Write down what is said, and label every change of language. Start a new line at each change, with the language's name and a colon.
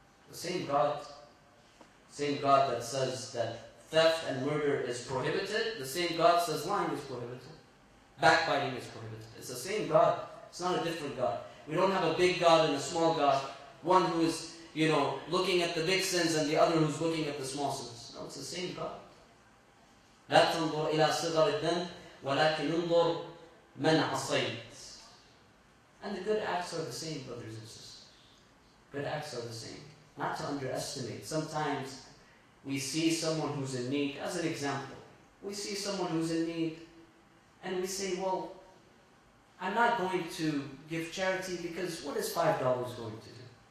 English: The same God that says that theft and murder is prohibited, the same God says lying is prohibited. Backbiting is prohibited. It's the same God. It's not a different God. We don't have a big God and a small God. One who is, you know, looking at the big sins and the other who's looking at the small sins. No, it's the same God.
Arabic: لا تنظر إلى صغر الذنب ولكن انظر من عصيت.
English: And the good acts are the same, brothers and sisters. Good acts are the same. Not to underestimate. Sometimes we see someone who's in need, as an example. We see someone who's in need and we say, well, I'm not going to give charity because what is $5 going to do?